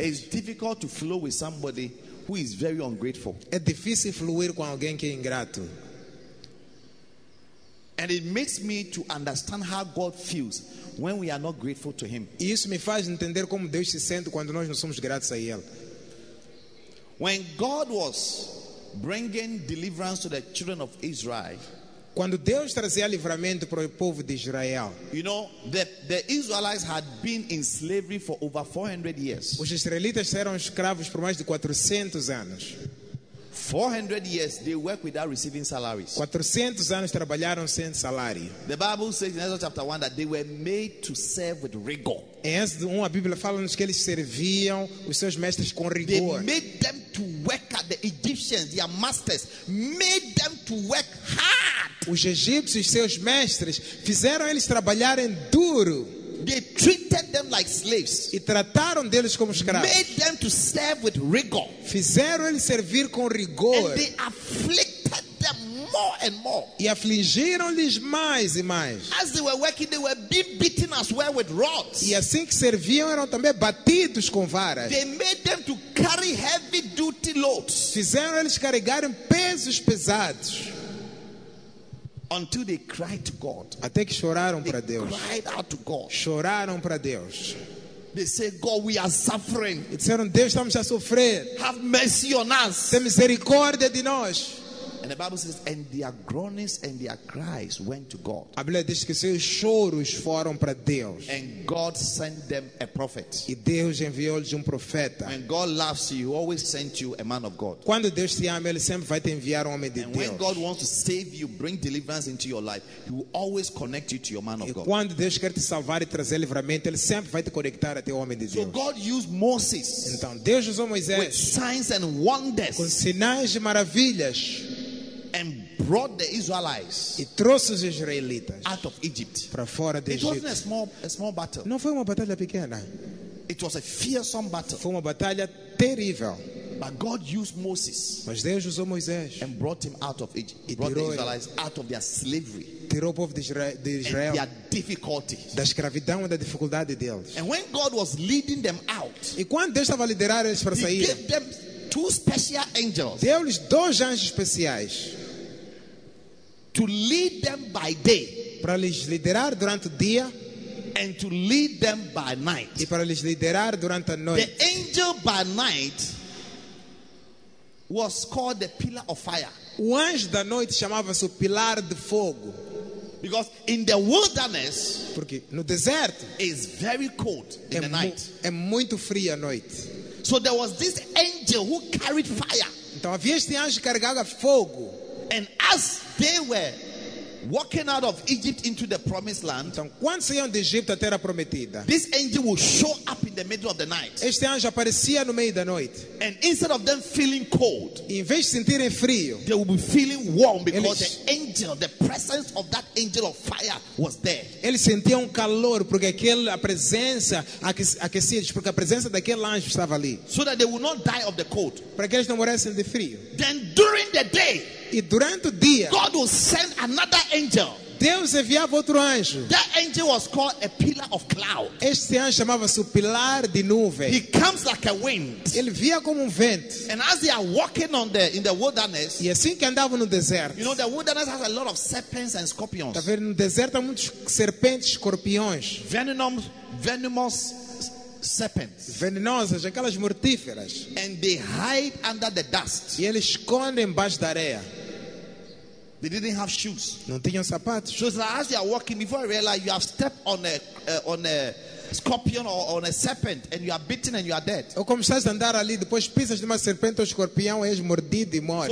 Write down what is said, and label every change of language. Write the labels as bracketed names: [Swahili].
[English] It's difficult to flow with somebody who is very ungrateful. [Portuguese] É difícil fluir com alguém que é ingrato. [English] And it makes me to understand how God feels when we are not grateful to him. [Portuguese] E isso me faz entender como Deus se sente quando nós não somos gratos a ele. [English] When God was bringing deliverance to the children of Israel, [Portuguese] quando Deus trazia livramento para o povo de Israel. [English] You know, the Israelites had been in slavery for over 400 years. [Portuguese] Os israelitas eram escravos por mais de 400 anos. [English] 400 years they worked without receiving salaries. [Portuguese] 400 anos trabalharam sem salário. [English] The Bible says in Exodus chapter 1 that they were made to serve with rigor. [Portuguese] Em Êxodo 1, a Bíblia fala-nos que eles serviam os seus mestres com rigor. [English] They made them to work at the Egyptians, their masters, made them to work hard. [Portuguese] Os egípcios, seus mestres, fizeram eles trabalharem duro. [English] They treated them like slaves. [Portuguese] E trataram deles como escravos. [English] Made them to serve with rigor. [Portuguese] Fizeram eles servir com rigor. [English] And they afflicted them more and more. [Portuguese] E afligiram-lhes mais e mais. [English] As they were working, they were being beaten as well with rods. [Portuguese] E assim que serviam, eram também batidos com varas. [English] They made them to carry heavy duty loads. [Portuguese] Fizeram eles carregarem pesos pesados. [English] until they cried to God. [Portuguese] Até que choraram para Deus. [English] They cried out to God. [Portuguese] Choraram para Deus. [English] They say, God, we are suffering. [Portuguese] Disseram, Deus, estamos a sofrer. [English] Have mercy on us. [Portuguese] Tem misericórdia de nós. [English] And the Bible says, and their groanings and their cries went to God. [Portuguese] A Bíblia diz que seus choros foram para Deus. [English] And God sent them a prophet. [Portuguese] E Deus enviou-lhes profeta. [English] When God loves you, He always sent you a man of God. [Portuguese] Quando Deus te ama, Ele sempre vai te enviar homem de [English] and [Portuguese] Deus. [English] And when God wants to save you, bring deliverance into your life, He will always connect you to your man of [Portuguese] e [English] God. [Portuguese] E quando Deus quer te salvar e trazer livramento, Ele sempre vai te conectar a teu homem de Deus. [English] So God used Moses. [Portuguese] Então Deus usou Moisés. [English] With signs and wonders. [Portuguese] Com sinais e maravilhas. [English] And brought the Israelites [Portuguese] e trouxe os israelitas [English] out of Egypt. [Portuguese] Para fora do [English] it [Portuguese] Egito. [English] Wasn't a small battle. [Portuguese] Não foi uma batalha pequena. [English] It was a fearsome battle. [Portuguese] Foi uma batalha terrível. [English] But God used Moses. [Portuguese] Mas Deus usou Moisés. [English] And brought him out of Egypt. He brought the Israelites out of their slavery. [Portuguese] Tirou o povo de Israel [English] and their difficulty. [Portuguese] Da escravidão e da dificuldade deles. [English] And when God was leading them out, [Portuguese] e quando Deus estava a liderar eles para sair, [English] He gave them two special angels. [Portuguese] Deu-lhes dois anjos especiais. [English] To lead them by day. [Portuguese] Para lhes liderar durante o dia. [English] And to lead them by night. [Portuguese] E para lhes liderar durante a noite. [English] The angel by night was called the pillar of fire. [Portuguese] O anjo da noite chamava-se o pilar de fogo. [English] Because in the wilderness, [Portuguese] porque no deserto, [English] is very cold in the night. [Portuguese] É muito frio à noite. [English] So there was this angel who carried fire. [Portuguese] Então havia este anjo carregado fogo. [English] And as they were walking out of Egypt into the promised land, [Portuguese] então quando saíam do Egito à terra prometida, [English] this angel would show up in the middle of the night. [Portuguese] Este anjo aparecia no meio da noite. [English] And instead of them feeling cold, [Portuguese] em vez de sentirem frio, [English] they would be feeling warm because [Portuguese] eles, [English] the angel, the presence of that angel of fire was there. [Portuguese] Eles sentiam calor porque aquela presença aquecia, porque a presença daquele anjo estava ali. [English] So that they would not die of the cold. [Portuguese] Para que eles não morressem de frio. [English] Then during the day, [Portuguese] e durante o dia, [English] God will send another angel. [Portuguese] Deus enviava outro anjo. [English] That angel was called a pillar of cloud. [Portuguese] Este anjo chamava-se o pilar de nuvem. [English] He comes like a wind. [Portuguese] Ele via como vento. [English] And as they are walking on the in the wilderness, [Portuguese] e assim que andavam no deserto, [English] you know the wilderness has a lot of serpents and scorpions. [Portuguese] Tá vendo, no deserto há muitos serpentes, escorpiões. [English] Venomous serpents, [Portuguese] venenosas, aquelas mortíferas. [English] And they hide under the dust. [Portuguese] E eles escondem embaixo da areia. [English] They didn't have shoes. [Portuguese] Não tinham sapatos. [English] So like as you are walking, before I realize you have stepped on a scorpion or on a serpent, and you are bitten and you are dead. [Portuguese] Ou começas a andar ali, depois pisas numa serpente ou escorpião, és mordido e morres.